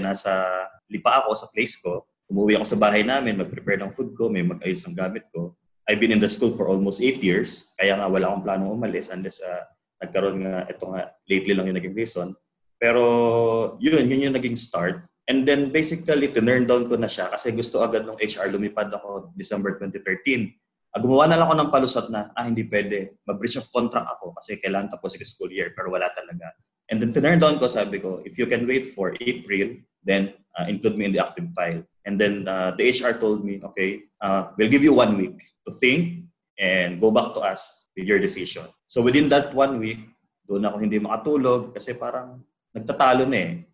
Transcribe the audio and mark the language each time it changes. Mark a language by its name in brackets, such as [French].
[Filipino] Nasa lipa ako sa place ko. Umuwi ako sa bahay namin, mag-prepare ng food ko, may mag-ayos ng gamit ko. [English] I've been in the school for almost 8 years. [Filipino] Kaya nga wala akong planong umalis unless nagkaroon nga, ito nga, lately lang yung naging reason. Pero yun yung naging start. And then basically, tinurn down ko na siya kasi gusto agad ng HR lumipad ako December 2013. Gumawa na lang ako ng palusot na, hindi pwede. Mag-breach of contract ako kasi kailangan tapos yung school year pero wala talaga. [English] And then tinurn down ko, sabi ko, if you can wait for April, then include me in the active file. And then the HR told me, okay, we'll give you 1 week to think and go back to us with your decision. [Filipino] So within that 1 week, doon ako hindi makatulog kasi parang nagtatalo na eh.